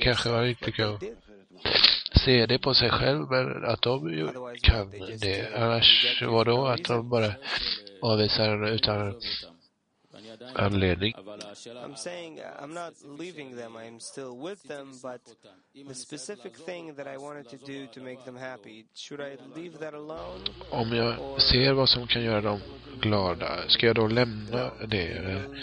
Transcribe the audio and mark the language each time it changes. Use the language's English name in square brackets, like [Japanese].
[Swedish] Kanske man inte kan se det på sig själv, men att de ju kan det. Annars var då att de bara avvisar den utan anledning. [English] I'm saying I'm not leaving them, I'm still with them, but the specific thing that I wanted to do to make them happy, should I leave that alone? [Swedish] Om jag ser vad som kan göra dem glada, ska jag då lämna det?